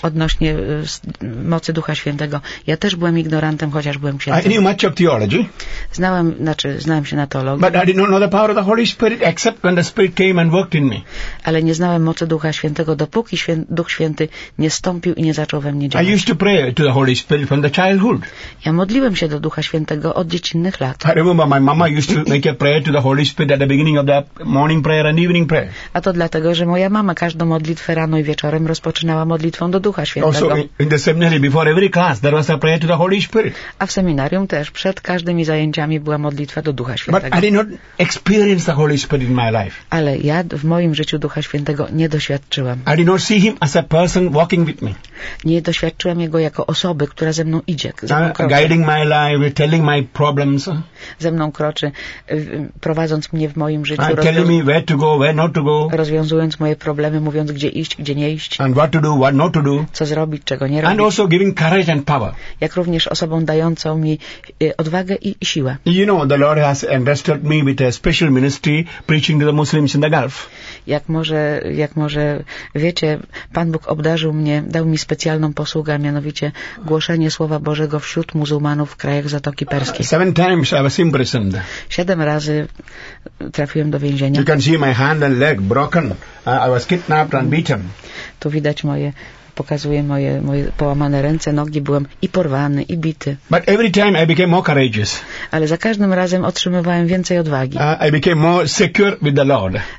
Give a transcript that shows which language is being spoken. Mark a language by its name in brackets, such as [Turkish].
[Polish] Odnośnie mocy Ducha Świętego. Ja też byłem ignorantem, chociaż byłem księdzem. [English] I knew much of theology. [Polish] Znałem się na teologii. [English] But I did not know the power of the Holy Spirit except when the Spirit came and worked in me. [Polish] Ale nie znałem mocy Ducha Świętego, dopóki Duch Święty nie stąpił i nie zaczął we mnie działać. [English] I used to pray to the Holy Spirit from the childhood. [Polish] Ja modliłem się do Ducha Świętego od dziecinnych lat. [English] I remember my mama used to make a prayer to the Holy Spirit at the beginning of the morning prayer and evening prayer. [Polish] A to dlatego, że moja mama każdą modlitwę rano i wieczorem rozpoczynała modlitwą do Ducha Świętego. [English] Also in the seminary before every class there was a prayer to the Holy Spirit. [Polish] A w seminarium też przed każdymi zajęciami była modlitwa do Ducha Świętego. [English] But I did not experience the Holy Spirit in my life. [Polish] Ale ja w moim życiu Ducha Świętego nie doświadczyłem. [English] I did not see him as a person walking with me. [Polish] Nie doświadczyłem jego jako osoby, która ze mną idzie. [English] Guiding my life, telling my problems. [Polish] Ze mną kroczy, prowadząc mnie w moim życiu. [English] Telling me where to go, where not to go. [Polish] Rozwiązując moje problemy, mówiąc gdzie iść, gdzie nie iść. [English] And what to do, what not to do. [Polish] Co zrobić, czego nie robić. [English] And also giving courage and power. [Polish] jak również osobą dającą mi odwagę i siłę. [English] You know, the Lord has entrusted me with a special ministry preaching to the Muslims in the Gulf. [Polish] Jak może wiecie, Pan Bóg obdarzył mnie, dał mi specjalną posługę, mianowicie głoszenie Słowa Bożego wśród muzułmanów w krajach Zatoki Perskiej. [English] Seven times I was imprisoned. [Polish] 7 razy trafiłem do więzienia. [English] You can see my hand and leg broken. I was kidnapped and beaten. [Polish] Tu widać pokazuję moje połamane ręce, nogi, byłem i porwany, i bity. [English] But every time I became more courageous. [Polish] Ale za każdym razem otrzymywałem więcej odwagi. [English] I became more secure with the Lord.